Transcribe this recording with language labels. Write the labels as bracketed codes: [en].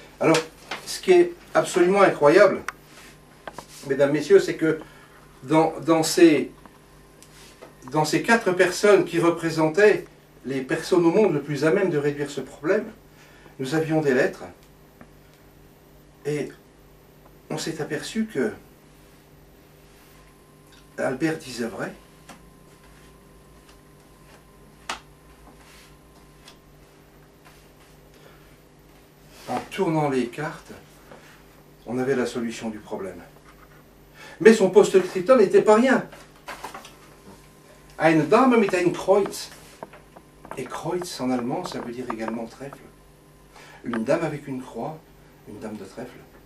[fr] Alors, ce qui est absolument incroyable, mesdames, messieurs, c'est que dans ces quatre personnes qui représentaient les personnes au monde le plus à même de réduire ce problème, nous avions des lettres et on s'est aperçu que Albert disait vrai. En tournant les cartes, on avait la solution du problème. Mais son post-scriptum n'était pas rien. [de] Eine Dame mit einem Kreuz. [fr] Et Kreuz en allemand, ça veut dire également trèfle. Une dame avec une croix, une dame de trèfle.